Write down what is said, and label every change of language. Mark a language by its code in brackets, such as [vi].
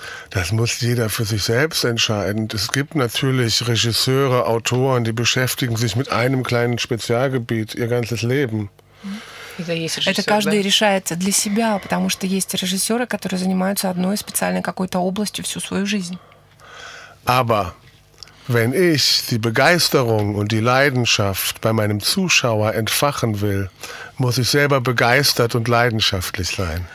[de] Das muss jeder für sich selbst entscheiden. Es gibt natürlich Regisseure, Autoren, die beschäftigen sich mit einem kleinen Spezialgebiet ihr ganzes Leben. [ru] Это каждый решает для себя, потому что есть режиссеры, которые занимаются одной специальной какой-то областью всю свою жизнь. [de] Aber wenn ich die Begeisterung und die Leidenschaft bei meinem Zuschauer entfachen will, muss ich selber begeistert und leidenschaftlich sein.